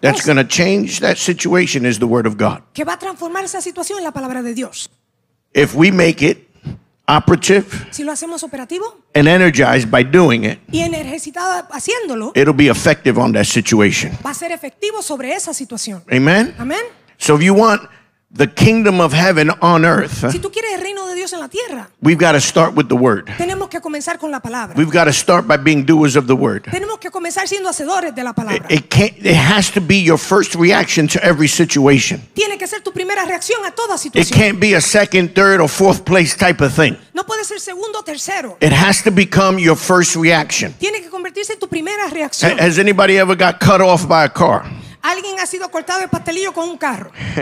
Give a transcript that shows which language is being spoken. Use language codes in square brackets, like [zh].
[en] that's going to change that situation is the word of God. [es] Que va a transformar esa situación en la palabra de Dios. [en] If we make it operative, [es] si lo hacemos operativo, [en] and energized by doing it, [es] y energizada haciéndolo, [en] it'll be effective on that situation. [es] Va a ser efectivo sobre esa situación. [en] Amen. [es] Amen. [en] So if you want the kingdom of heaven on earth, [es] si tú quieres el reino de Dios en la tierra, [en] we've got to start with the word. [es] Tenemos que comenzar con la palabra. [en] We've got to start by being doers of the word. [es] Tenemos que comenzar siendo hacedores de la palabra. [en] It has to be your first reaction to every situation. [es] Tiene que ser tu primera reacción a toda situación. [en] It can't be a second, third, or fourth place type of thing. [es] No puede ser segundo, tercero. [en] It has to become your first reaction. [es] Tiene que convertirse en tu primera reacción. [en] Has anybody ever got cut off by a car? [es] ¿Alguien ha sido cortado el pastelillo con un carro?